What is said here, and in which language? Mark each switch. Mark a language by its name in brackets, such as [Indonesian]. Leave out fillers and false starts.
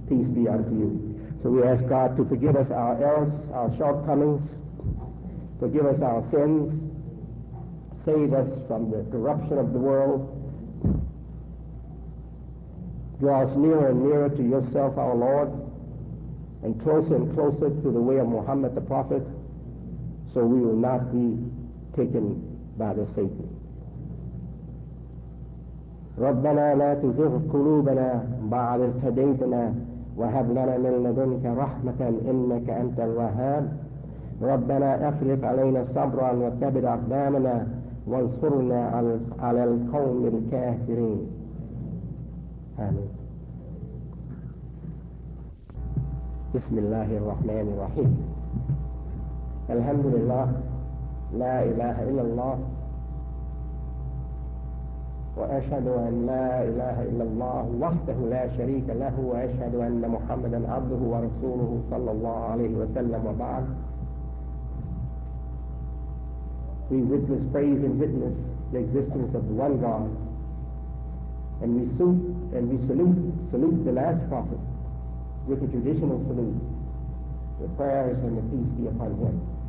[English] Peace be unto you. So we ask God to forgive us our errors, our shortcomings, forgive us our sins, save us from the corruption of the world, draw us nearer and nearer to yourself, our Lord, and closer and closer to the way of Muhammad the Prophet, so we will not be taken by the Satan. [Arabic] ربنا لا تزغ قلوبنا بعد إذ هديتنا وهب لنا من لدنك رحمة إنك أنت الوهاب ربنا افرغ علينا صبرا وكبر أقدامنا وانصرنا على القوم الكافرين آمين. بسم الله الرحمن الرحيم. الحمد لله لا إله إلا الله وأشهد أن لا إله إلا الله وحده لا شريك له وأشهد أن محمدا عبده ورسوله صلى الله عليه وسلم وبعد. [English] We witness, praise and witness the existence of the one God, and we salute the last prophet with a traditional salute, the prayers and the peace be upon him.